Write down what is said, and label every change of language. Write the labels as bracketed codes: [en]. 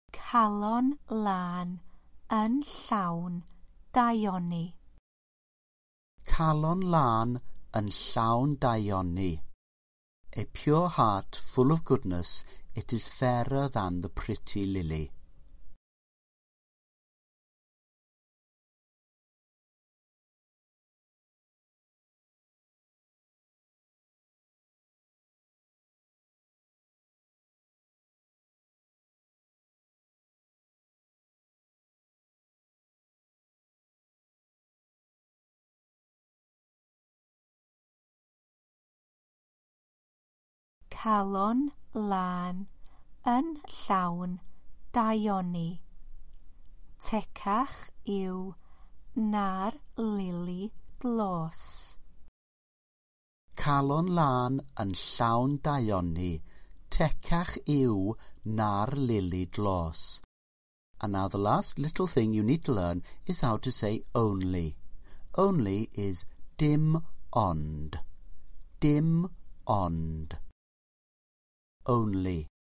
[cy] Calon lân yn llawn daioni. Calon lân yn llawn daioni. [en] A pure heart full of goodness, it is fairer than the pretty lily. [cy] Calon lân yn llawn daioni. Tecach yw na'r lili glos. Calon lân yn llawn daioni. Tecach yw na'r lili glos. [en] And now the last little thing you need to learn is how to say only. Only is dim ond. Dim ond. Only.